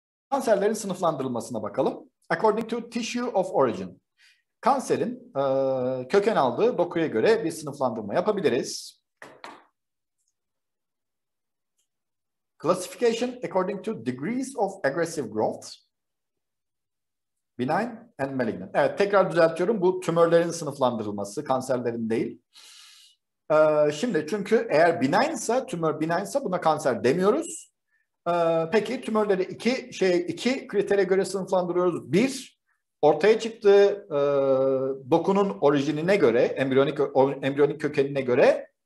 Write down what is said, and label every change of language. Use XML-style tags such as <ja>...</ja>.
<tr>Kanserlerin sınıflandırılmasına bakalım.</tr> <en>According to tissue of origin.</en> <tr>Kanserin köken aldığı dokuya göre bir sınıflandırma yapabiliriz.</tr> <en>Classification according to degrees of aggressive growth. Benign and malignant.</en> <tr>Evet, tekrar düzeltiyorum. Bu tümörlerin sınıflandırılması, kanserlerin değil. Şimdi çünkü eğer benignsa, tümör benignsa buna kanser demiyoruz. Peki tümörleri iki kritere göre sınıflandırıyoruz. Bir, ortaya çıktığı dokunun orijinine göre, embriyonik kökenine göre.</tr>